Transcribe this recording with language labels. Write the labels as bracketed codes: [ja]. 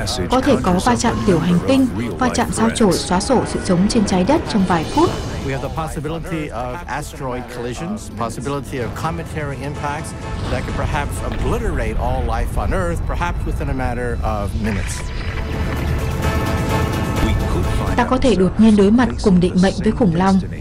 [vi] Có thể có va chạm tiểu hành tinh, va chạm sao chổi xóa sổ sự sống trên trái đất trong vài phút. [en] We have the possibility of asteroid collisions, possibility of cometary impacts that could perhaps obliterate all life on Earth, perhaps within a matter of minutes. [vi] Ta có thể đột nhiên đối mặt cùng định mệnh với khủng long.